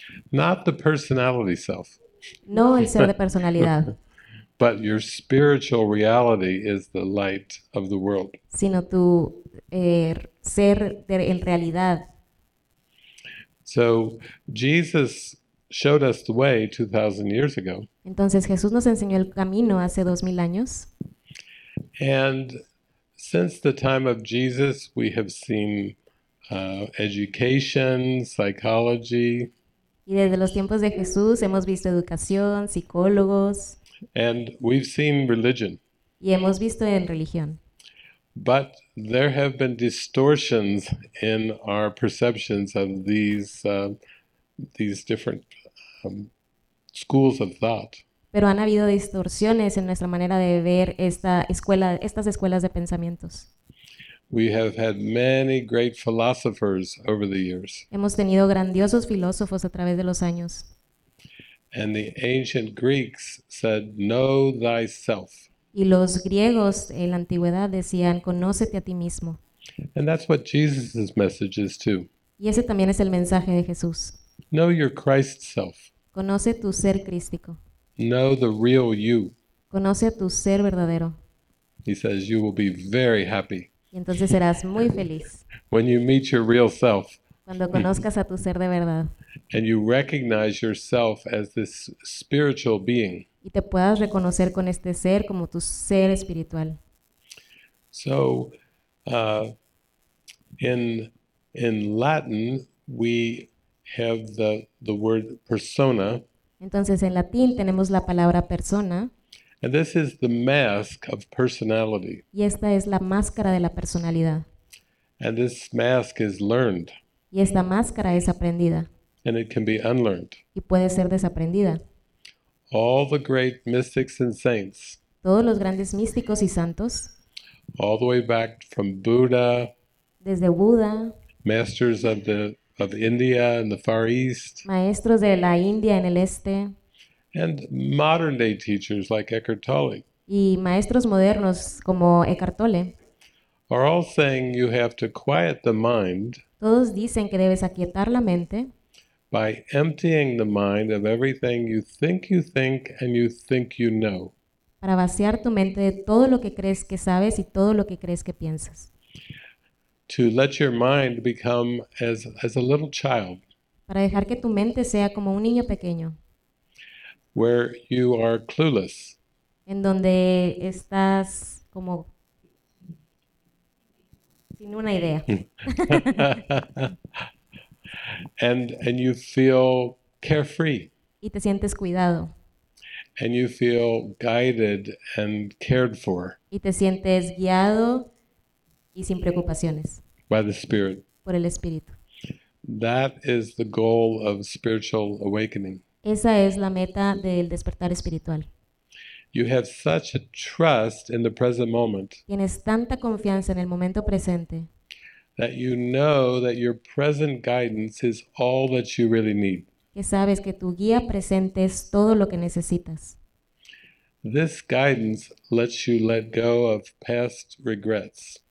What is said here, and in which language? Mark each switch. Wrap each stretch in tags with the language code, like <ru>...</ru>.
<en>Not the personality self.</en> <es>No el ser de personalidad,</es> <en>But your spiritual reality is the light of the world.</en> <es>sino tu ser de, en realidad.</es> <en>So Jesus showed us the way 2,000 years ago.</en> <es>Entonces Jesús nos enseñó el camino hace 2000 años.</es> <en>And since the time of Jesus, we have seen education, psychology,</en> <es>Y desde los tiempos de Jesús hemos visto educación, psicólogos</es> <en>and we've seen religion.</en> <es>y hemos visto en religión.</es> <en>But there have been distortions in our perceptions of these different schools of thought.</en> <es>Pero han habido distorsiones en nuestra manera de ver esta escuela, estas escuelas de pensamientos.</es> <en>We have had many great philosophers over the years.</en> <es>Hemos tenido grandiosos filósofos a través de los años.</es> <en>And the ancient Greeks said, "Know thyself."</en> <es>Y los griegos en la antigüedad decían, conócete a ti mismo.</es> <en>And that's what Jesus' message is too.</en> <es>Y ese también es el mensaje de Jesús.</es> <en>Know your Christ self.</en> <es>Conoce tu ser crístico.</es> <en>Know the real you.</en> <es>Conoce a tu ser verdadero.</es> <en>He says, "You will be very happy</en> <es>Y entonces serás muy feliz</es> <en>when you meet your real self."</en> <es>cuando conozcas a tu ser de verdad</es> <en>And you recognize yourself as this spiritual being.</en> <es>y te puedas reconocer con este ser como tu ser espiritual.</es> <en>So, in Latin, we have the word persona.</en> <es>Entonces en latín tenemos la palabra persona.</es> <en>And this is the mask of personality.</en> <es>Y esta es la máscara de la personalidad.</es> <en>And this mask is learned.</en> <es>Y esta máscara es aprendida.</es> <en>And it can be unlearned.</en> <es>Y puede ser desaprendida.</es> <en>All the great mystics and saints,</en> <es>Todos los grandes místicos y santos,</es> <en>all the way back from Buddha,</en> <es>desde Buda,</es> <en>masters of India and the Far East,</en> <es>maestros de la India en el este,</es> <en>and modern day teachers like Eckhart Tolle,</en> <es>y maestros modernos como Eckhart Tolle.</es> <en>are all saying you have to quiet the mind.</en> <es>Todos dicen que debes aquietar la mente</es> <en>By emptying the mind of everything you think and you think you know.</en> <es>para vaciar tu mente de todo lo que crees que sabes y todo lo que crees que piensas.</es> <en>to let your mind become as a little child,</en> <es>Para dejar que tu mente sea como un niño pequeño.</es> <en>where you are clueless.</en> <es>En donde estás como sin una idea.</es> <en>And you feel carefree.</en> <es>Y te sientes cuidado.</es> <en>And you feel guided and cared for</en> <es>Y te sientes guiado y sin preocupaciones</es> <en>by the Spirit.</en> <es>por el Espíritu.</es> <en>That is the goal of spiritual awakening.</en> <es>Esa es la meta del despertar espiritual.</es> <en>You have such a trust in the present moment</en> <es>Tienes tanta confianza en el momento presente</es> <en>that you know that your present guidance is all that you really need.</en> <es>que sabes que tu guía presente es todo lo que necesitas.</es> <en>This guidance lets you let go of past regrets.</en>